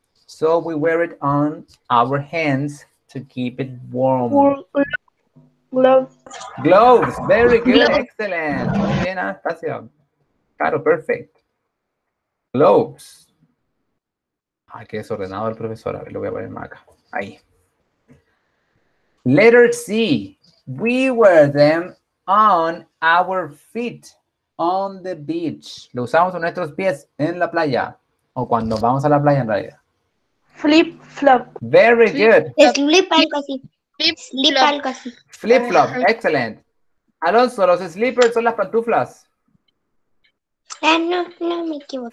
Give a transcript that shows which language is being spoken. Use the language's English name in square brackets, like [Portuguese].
[English] So we wear it on our hands to keep it warm. Gloves. Gloves. Very good. Gloves. Excellent. [Spanish] Muy bien, [English] Anastasia. [Spanish] Claro, [English] perfect. Gloves. [Spanish] Ay, qué desordenado el profesor. A ver, lo voy a poner más acá. Ahí. [English] Letter C. We wear them on our feet on the beach. [Spanish] Lo usamos en nuestros pies en la playa. O cuando vamos a la playa, en realidad. [English] Flip, flop. Very flip, good. [Spanish] Flip, algo así. [English] Flip-flop. Flip-flop, excellent. [Spanish] Alonso, ¿los slippers son las pantuflas? No, me equivoco.